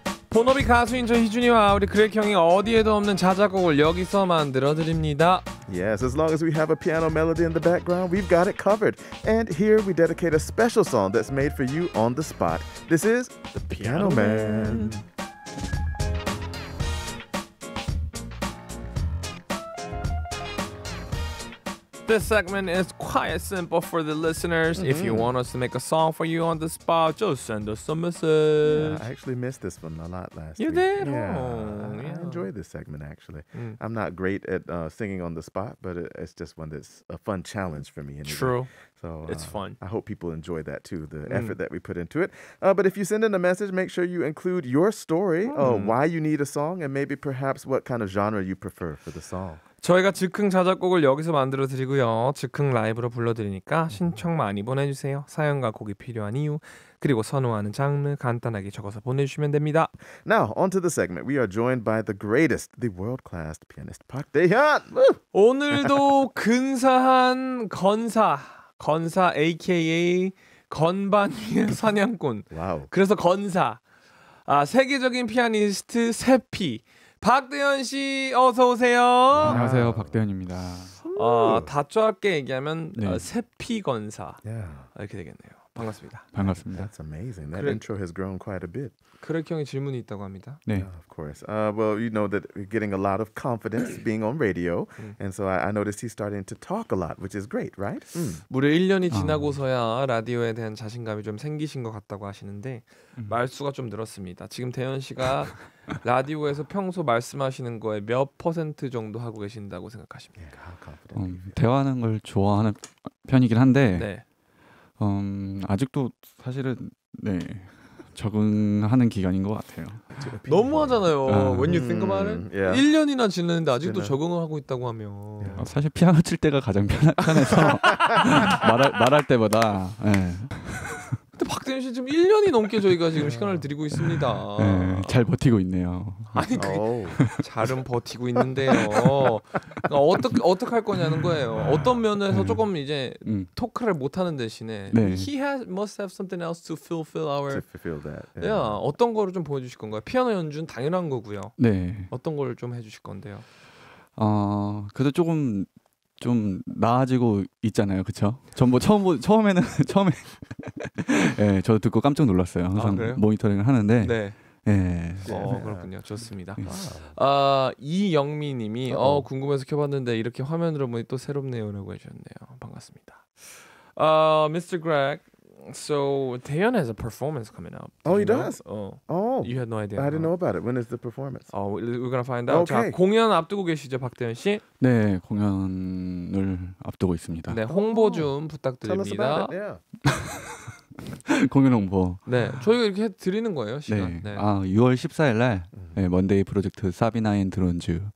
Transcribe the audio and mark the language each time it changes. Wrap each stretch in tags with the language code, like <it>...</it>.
<ko>본업이 가수인 저 희준이와 우리 그렉 형이 어디에도 없는 자작곡을 여기서 만들어드립니다.</ko> <en>Yes, as long as we have a piano melody in the background, we've got it covered. And here we dedicate a special song that's made for you on the spot. This is The Piano Man. This segment is quite simple for the listeners. Mm-hmm. If you want us to make a song for you on the spot, just send us a message. Yeah, I actually missed this one a lot last you week. You did? Yeah. Oh, yeah. I enjoy this segment, actually. Mm. I'm not great at singing on the spot, but it's just one that's a fun challenge for me. Anyway. True. It's fun. I hope people enjoy that, too, the effort that we put into it. But if you send in a message, make sure you include your story, why you need a song, and maybe perhaps what kind of genre you prefer for the song.</en> <ko>저희가 즉흥 자작곡을 여기서 만들어 드리고요. 즉흥 라이브로 불러 드리니까 신청 많이 보내주세요. 사연과 곡이 필요한 이유, 그리고 선호하는 장르 간단하게 적어서 보내주시면 됩니다.</ko> <en>Now, on to the segment. We are joined by the greatest, the world-class pianist, Park Dae-hyun!</en> <ko>오늘도 근사한 건사 aka 건반의 사냥꾼. 와우. 그래서 건사. 아, 세계적인 피아니스트 세피. 박대현 씨 어서 오세요. 안녕하세요. 박대현입니다. 다짜게 얘기하면 세피 건사. 이렇게 되겠네요. 반갑습니다. 반갑습니다.</ko> <en>That's amazing. That intro has grown quite a bit.</en> <ko>그렉 형이 질문이 있다고 합니다. 네.</ko> <en>Of course. Well, you know that we're getting a lot of confidence being on radio. And so I noticed he's starting to talk a lot, which is great, right?</en> <ko>무려 1년이 지나고서야 라디오에 대한 자신감이 좀 생기신 것 같다고 하시는데 말수가 좀 늘었습니다. 지금 대현 씨가 라디오에서 평소 말씀하시는 거에 몇 퍼센트 정도 하고 계신다고 생각하십니까?</ko> <en>Yeah,</en> <ko>대화하는 걸 좋아하는 편이긴 한데 네. 아직도 사실은 네 적응하는 기간인 것 같아요. 너무하잖아요.</ko> <en>When you think about it, yeah.</en> <ko>1년이나 지났는데 아직도 적응을 하고 있다고 하면</ko> <en>yeah.</en> <ko>사실 피아노 칠 때가 가장 편해서 말할 때보다 네. 박대현 씨 지금 1년이 넘게 저희가 지금 시간을 드리고 있습니다. 네, 잘 버티고 있네요. 아니 잘은 버티고 있는데요. 그러니까 어떻게 할 거냐는 거예요. 어떤 면에서 조금 이제 토크를 못 하는 대신에 네.</ko> <en>He has must have something else to fulfill our to fulfill that. Yeah. Yeah,</en> <ko>어떤 거를 좀 보여주실 건가요? 피아노 연주는 당연한 거고요. 네. 어떤 걸 좀 해주실 건데요? 그래도 조금 좀 나아지고 있잖아요, 그렇죠? 전부 처음에 예, 저도 듣고 깜짝 놀랐어요. 항상 모니터링을 하는데, 네, 예. 그렇군요. 좋습니다. 이영미님이 궁금해서 켜봤는데 이렇게 화면으로 보니 또 새롭네요라고 해주셨네요. 반갑습니다. Mr.</ko> <en>Greg, so Dae-hyun has a performance coming up. Oh, he does. Oh, you had no idea. I didn't know about it. When is the performance? Oh, we're gonna find out. Okay.</en> <ko>자, 공연 앞두고 계시죠, 박대현 씨? 네, 공연을 앞두고 있습니다. 네, 홍보 좀 부탁드립니다.</ko> <en>Tell us about it. Yeah.</en> <ko>공연 홍보. 네, 저희가 이렇게 드리는 거예요 시간. 네. 네. 아, 6월 14일 날 먼데이 프로젝트 사비나인 드론즈</ko>